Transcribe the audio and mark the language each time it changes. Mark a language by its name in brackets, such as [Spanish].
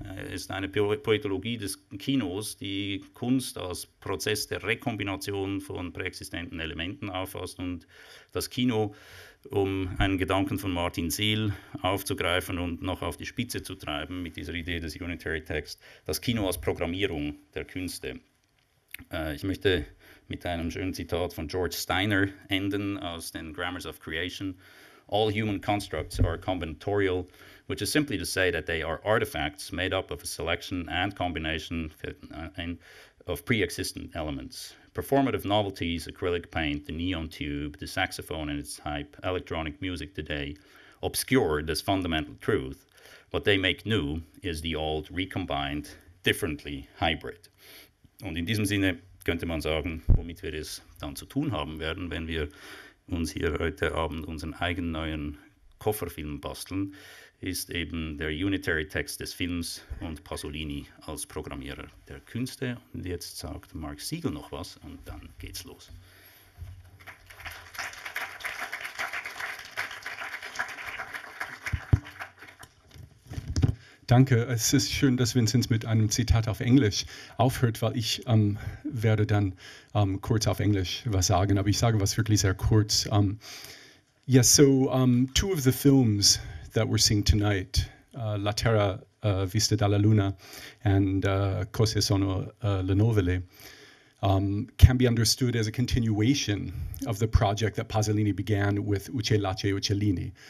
[German] ist eine Poetologie des Kinos, die Kunst als Prozess der Rekombination von präexistenten Elementen auffasst und das Kino, um einen Gedanken von Martin Seel aufzugreifen und noch auf die Spitze zu treiben mit dieser Idee des Unitary Text, das Kino als Programmierung der Künste. Ich möchte mit einem schönen Zitat von George Steiner enden aus den Grammars of Creation. [English] All human constructs are combinatorial, which is simply to say that they are artifacts made up of a selection and combination of pre-existent elements. Performative novelties, acrylic paint, the neon tube, the saxophone and its hype, electronic music today, obscure this fundamental truth. What they make new is the old recombined, differently hybrid. [German] Und in diesem Sinne könnte man sagen, womit wir es dann zu tun haben werden, wenn wir uns hier heute Abend unseren eigenen neuen Kofferfilm basteln, ist eben der Unitary Text des Films und Pasolini als Programmierer der Künste. Und jetzt sagt Mark Siegel noch was und dann geht's los. Danke, es ist schön, dass Vincent mit einem Zitat auf Englisch aufhört, weil ich werde dann kurz auf Englisch was sagen, aber ich sage was wirklich sehr kurz. [English] Two of the films that we're seeing tonight, La Terra Vista dalla Luna and Cose sono le Nuvole, can be understood as a continuation of the project that Pasolini began with Uche Lace Uccellini.